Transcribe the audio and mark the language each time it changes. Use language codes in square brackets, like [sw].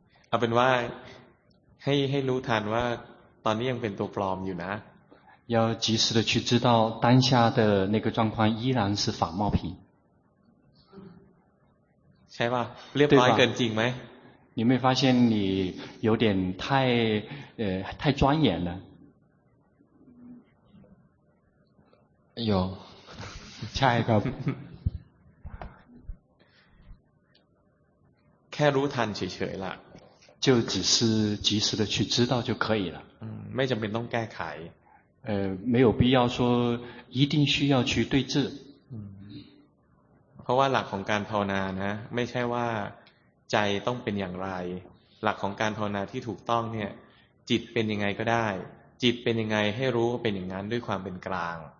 [th] เอาเป็นว่าให้รู้ทันว่าตอนนี้ยังเป็นตัวปลอมอยู่นะ。 [zh] 要及时的去知道当下的那个状况依然是仿冒品。 [th] ใช่ป่ะ เรียบร้อยเกินจริงไหม [zh] 你没发现你有点太专眼了有 [th] ใช่ครับ แค่รู้ทันเฉยๆล่ะ [zh] 就只是及时的去知道就可以了 [th] ไม่จำเป็นต้องแก้ไข ไม่ [zh] 有必要说一定需要去对治 [th] เพราะว่าหลักของการภาวนานะไม่ใช่ว่าใจต้องเป็นอย่างไรหลักของการภาวนาที่ถูกต้องเนี่ยจิตเป็นยังไงก็ได้จิตเป็นยังไงให้รู้ก็เป็นอย่างนั้นด้วยความเป็นกลาง